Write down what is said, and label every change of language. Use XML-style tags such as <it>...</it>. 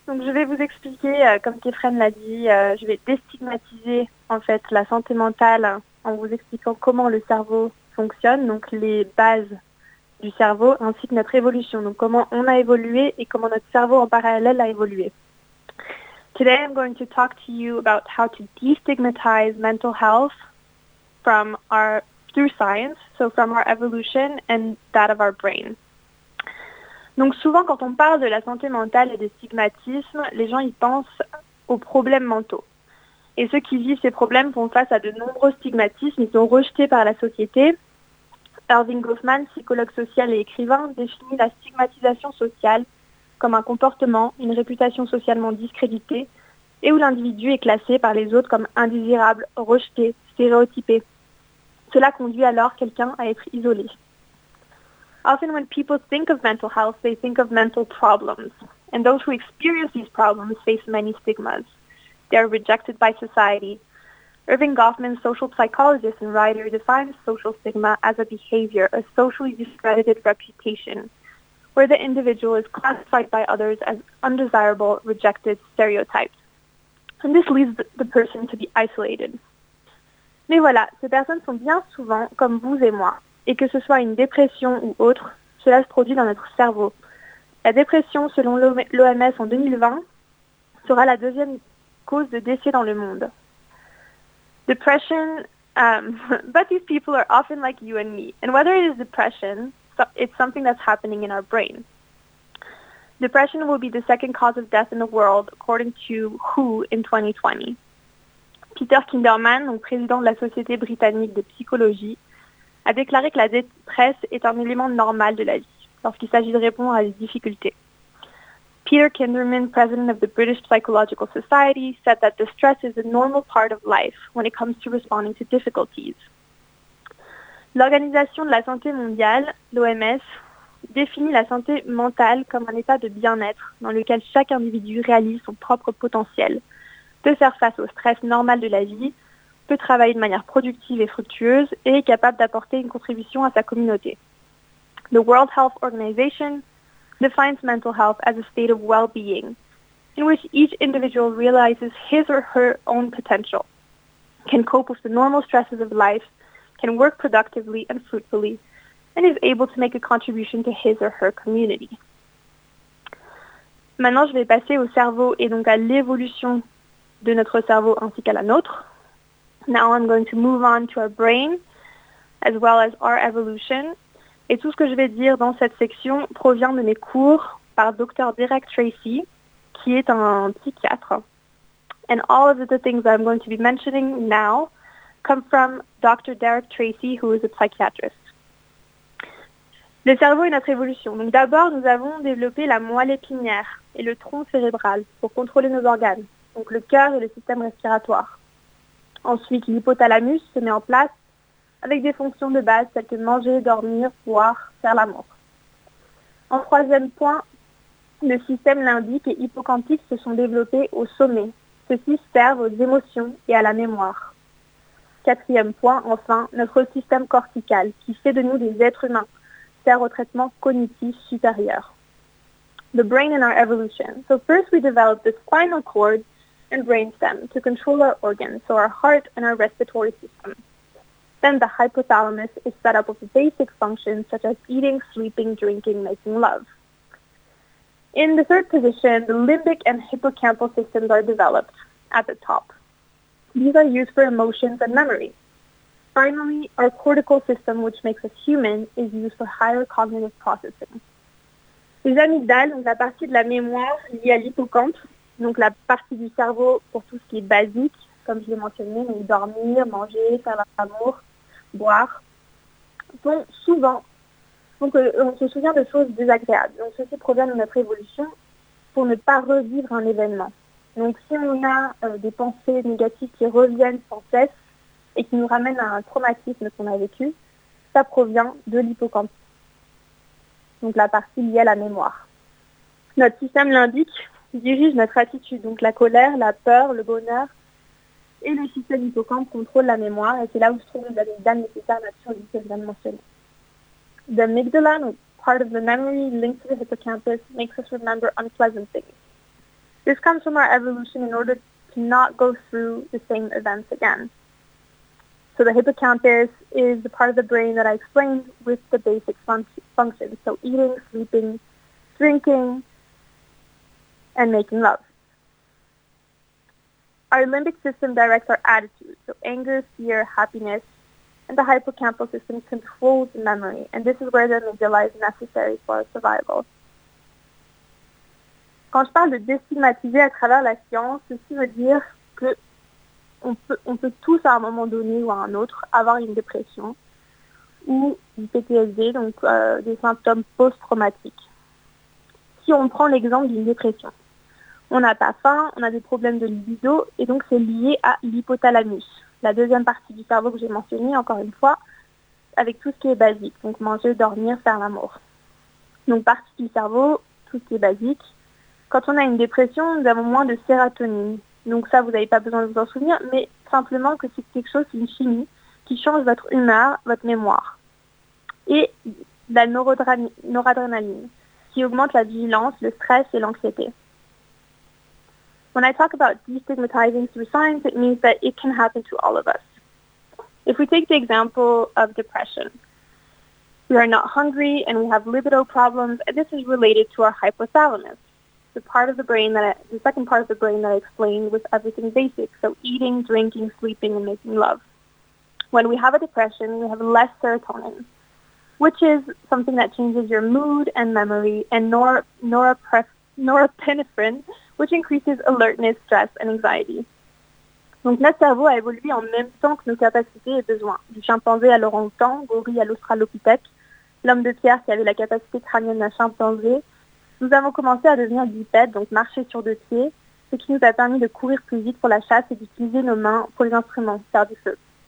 <fr>Donc je vais vous expliquer, comme Kefren l'a dit, je vais déstigmatiser en fait la santé mentale en vous expliquant comment le cerveau fonctionne, donc les bases du cerveau ainsi que notre évolution, donc comment on a évolué et comment notre cerveau en parallèle a évolué.</fr> <en>Today I'm going to talk to you about how to destigmatize mental health from our through science, so from our evolution and that of our brain.</en> <fr>Donc souvent quand on parle de la santé mentale et des stigmatismes, les gens y pensent aux problèmes mentaux. Et ceux qui vivent ces problèmes font face à de nombreux stigmatismes, ils sont rejetés par la société. Irving Goffman, psychologue social et écrivain, définit la stigmatisation sociale comme un comportement, une réputation socialement discréditée et où l'individu est classé par les autres comme indésirable, rejeté, stéréotypé. Cela conduit alors quelqu'un à être isolé.</fr> <en>Often when people think of mental health, they think of mental problems. And those who experience these problems face many stigmas. They are rejected by society. Irving Goffman, social psychologist and writer, defines social stigma as a behavior, a socially discredited reputation, where the individual is classified by others as undesirable, rejected, stereotyped. And this leads the person to be isolated.</en> <fr>Mais voilà, ces personnes sont bien souvent comme vous et moi. Et que ce soit une dépression ou autre, cela se produit dans notre cerveau. La dépression, selon l'OMS en 2020, sera la deuxième cause de décès dans le monde.</fr> <en>Depression, but these people are often like you and me. And whether it is depression, so it's something that's happening in our brain. Depression will be the second cause of death in the world, according to WHO in 2020.</en> <fr>Peter Kinderman, donc président de la Société britannique de psychologie, a déclaré que la détresse est un élément normal de la vie, lorsqu'il s'agit de répondre à des difficultés.</fr> <en>Peter Kinderman, president of the British Psychological Society, said that distress is a normal part of life when it comes to responding to difficulties.</en> <fr>L'Organisation de la Santé Mondiale, l'OMS, définit la santé mentale comme un état de bien-être dans lequel chaque individu réalise son propre potentiel, peut faire face au stress normal de la vie, peut travailler de manière productive et fructueuse et est capable d'apporter une contribution à sa communauté.</fr> <en>The World Health Organization defines mental health as a state of well-being in which each individual realizes his or her own potential, can cope with the normal stresses of life, can work productively and fruitfully, and is able to make a contribution to his or her community.</en> <fr>Maintenant, je vais passer au cerveau et donc à l'évolution de notre cerveau ainsi qu'à la nôtre.</fr> <en>Now I'm going to move on to our brain, as well as our evolution.</en> <fr>Et tout ce que je vais dire dans cette section provient de mes cours par Dr. Derek Tracy, qui est un psychiatre.</fr> <en>And all of the things I'm going to be mentioning now come from Dr. Derek Tracy, who is a psychiatrist.</en> <fr>Le cerveau et notre évolution. Donc d'abord, nous avons développé la moelle épinière et le tronc cérébral pour contrôler nos organes, donc le cœur et le système respiratoire. Ensuite, l'hypothalamus se met en place avec des fonctions de base telles que manger, dormir, boire, faire l'amour. En troisième point, le système limbique et hippocampique se sont développés au sommet. Ceux-ci servent aux émotions et à la mémoire. Quatrième point, enfin, notre système cortical, qui fait de nous des êtres humains, sert au traitement cognitif supérieur.</fr> <en>The brain and our evolution. So first we developed the spinal cord and brainstem to control our organs, so our heart and our respiratory system. Then the hypothalamus is set up with basic functions such as eating, sleeping, drinking, making love. In the third position, the limbic and hippocampal systems are developed at the top. These are used for emotions and memory. Finally, our cortical system, which makes us human, is used for higher cognitive processing.</en> <fr>Les amygdales, donc la partie de la mémoire liée à l'hippocampe, donc la partie du cerveau pour tout ce qui est basique, comme je l'ai mentionné, donc dormir, manger, faire l'amour, boire, sont souvent Donc on se souvient de choses désagréables. Donc ceci provient de notre évolution pour ne pas revivre un événement. Donc si on a des pensées négatives qui reviennent sans cesse et qui nous ramènent à un traumatisme qu'on a vécu, ça provient de l'hippocampe. Donc la partie liée à la mémoire. Notre système limbique dirige notre attitude. Donc la colère, la peur, le bonheur et le système hippocampe contrôlent la mémoire. Et c'est là où se trouve l'amygdale nécessaire à survie que je viens de mentionner.</fr> <en>The amygdala, part of the memory linked to the hippocampus, makes us remember unpleasant things. This comes from our evolution in order to not go through the same events again. So the hippocampus is the part of the brain that I explained with the basic functions. So eating, sleeping, drinking, and making love. Our limbic system directs our attitude, so anger, fear, happiness, and the hippocampal system controls the memory, and this is where the amygdala is necessary for our survival.</en> <fr>Quand je parle de déstigmatiser à travers la science, ceci veut dire que on peut tous à un moment donné ou à un autre avoir une dépression ou du PTSD, donc des symptômes post-traumatiques. Si on prend l'exemple d'une dépression, on n'a pas faim, on a des problèmes de libido, et donc c'est lié à l'hypothalamus. La deuxième partie du cerveau que j'ai mentionné, encore une fois, avec tout ce qui est basique, donc manger, dormir, faire l'amour. Donc partie du cerveau, tout ce qui est basique. Quand on a une dépression, nous avons moins de sérotonine. Donc ça, vous n'avez pas besoin de vous en souvenir, mais simplement que c'est quelque chose, c'est une chimie qui change votre humeur, votre mémoire. Et la noradrénaline, qui augmente la vigilance, le stress et l'anxiété.</fr> <en>When I talk about destigmatizing through science, it means that it can happen to all of us. If we take the example of depression, we are not hungry and we have libido problems, and this is related to our hypothalamus, the second part of the brain that I explained with everything basic, so eating, drinking, sleeping, and making love. When we have a depression, we have less serotonin, which is something that changes your mood and memory, and norepinephrine, which increases alertness, stress, and anxiety.</en> <fr>Donc notre cerveau a évolué en même temps que nos capacités et besoins. Du chimpanzé à l'orang-outan, gorille à l'australopithèque, l'homme de pierre qui avait la capacité crânienne d'un chimpanzé, nous avons commencé à devenir bipèdes, donc marcher sur deux pieds, ce qui nous a permis de courir plus vite pour la chasse et d'utiliser nos mains pour les instruments, faire du feu.</fr>